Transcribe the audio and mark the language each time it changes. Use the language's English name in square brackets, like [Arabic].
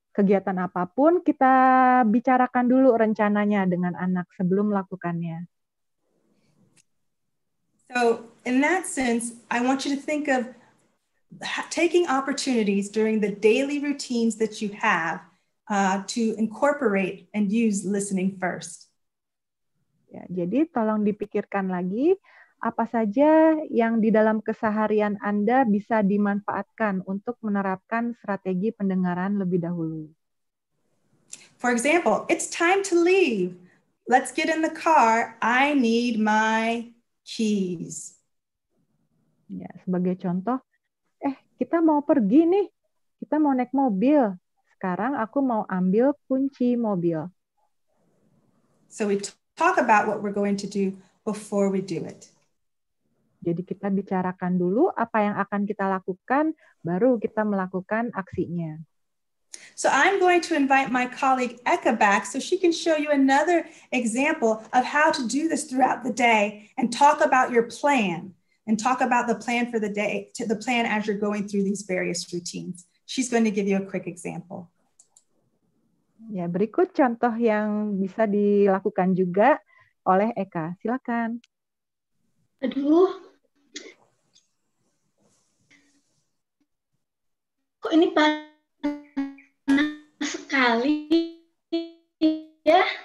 [Indonesian] kegiatan apapun, kita bicarakan dulu rencananya dengan anak sebelum melakukannya. [English] So, in that sense, I want you to think of taking opportunities during the daily routines that you have to incorporate and use listening first. [Indonesian] Ya, jadi tolong dipikirkan lagi apa saja yang di dalam keseharian Anda bisa dimanfaatkan untuk menerapkan strategi pendengaran lebih dahulu. [English] For example, it's time to leave. Let's get in the car. I need my keys. [Indonesian] Ya, sebagai contoh, kita mau pergi nih. Kita mau naik mobil. Sekarang aku mau ambil kunci mobil. [English] So we talk about what we're going to do before we do it. [Indonesian] Jadi kita bicarakan dulu apa yang akan kita lakukan, baru kita melakukan aksinya. [English] So I'm going to invite my colleague Eka back so she can show you another example of how to do this throughout the day and talk about your plan. And talk about the plan for the day, to the plan as you're going through these various routines. She's going to give you a quick example. [Indonesian] Ya, berikut contoh yang bisa dilakukan juga oleh Eka. Silakan. Aduh. Kok ini panas sekali ya?